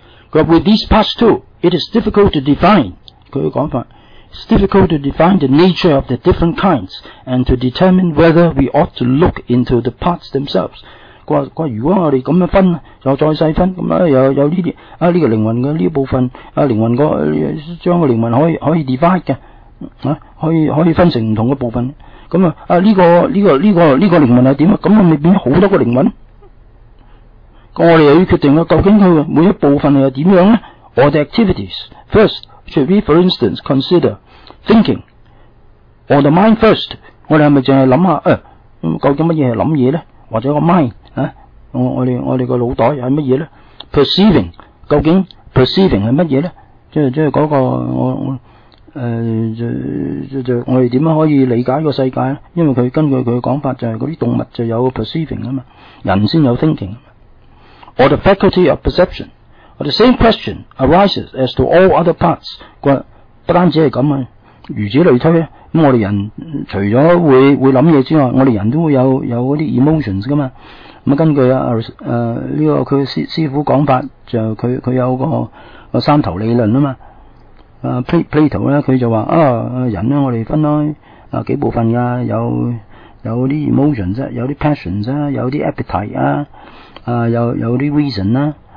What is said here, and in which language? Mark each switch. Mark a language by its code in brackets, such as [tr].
[yue] 佢話 [en] ：With these parts too, it is difficult to define。 [yue] 佢嘅講法 [en] ：It's difficult to define the nature of the different kinds and to determine whether we ought to look into the parts themselves。 [yue] 话如果我哋咁样分，又再细分，咁有呢啲啊呢、这个灵魂嘅呢部分啊灵魂个将个灵魂可以 divide 嘅、啊、可以分成唔同嘅部分，咁啊呢个灵魂系点啊？咁啊咪变咗好多个灵魂？咁我哋又要决定啦，究竟佢每一部分系点样咧 ？ [en] All the activities first should we, for instance, consider thinking or the mind first？ [yue] 我哋系咪净系谂下诶？究竟乜嘢系谂嘢咧？或者个 mind？啊、我哋个脑袋系乜嘢咧 ？Perceiving 究竟 perceiving 系乜嘢咧？即系嗰个我我哋点样可以理解个世界咧？因为佢根据佢嘅讲法，就系嗰啲动物就有 perceiving 啊嘛，人先有 thinking。 [en] Or the faculty of perception。 Or the same question arises as to all other parts。 [yue] 不单止系咁啊，如此类推咧。咁我哋人除咗会谂嘢之外，我哋人都会有嗰啲 emotions 噶嘛。咁根據呢個佢師傅講法，就佢有個三頭理論啊嘛。 Plato 咧，佢就話啊，人咧我哋分開幾部分噶，有啲 emotion 啫，有啲 passion 啫，有啲 appetite 啊，有啲 reason 啦。